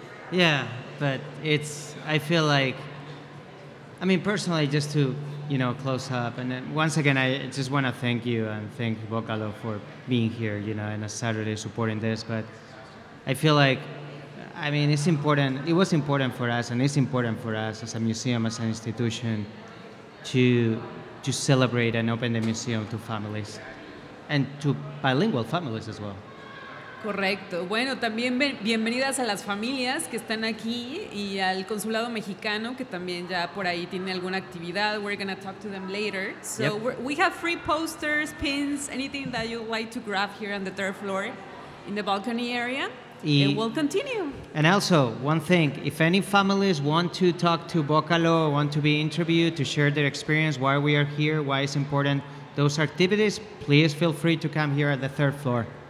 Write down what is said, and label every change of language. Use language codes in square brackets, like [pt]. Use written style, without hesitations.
[en] Yeah, but it's, I feel like, I mean, personally, just to, you know, close up, and then once again, I just want to thank you and thank Bocalo for being here, you know, on a Saturday supporting this, but I feel like, I mean, it's important. It was important for us, and it's important for us as a museum, as an institution, to celebrate and open the museum to families, and to bilingual families as well. [es] Correcto. Bueno, también bienvenidas a las familias que están aquí y al consulado mexicano que también ya por ahí tiene alguna actividad. [en] We're gonna talk to them later. So yep, we have free posters, pins, anything that you'd like to grab here on the third floor, in the balcony area. It will continue. And also, one thing, if any families want to talk to Bocalo, want to be interviewed, to share their experience, why we are here, why it's important, those activities, please feel free to come here at the third floor.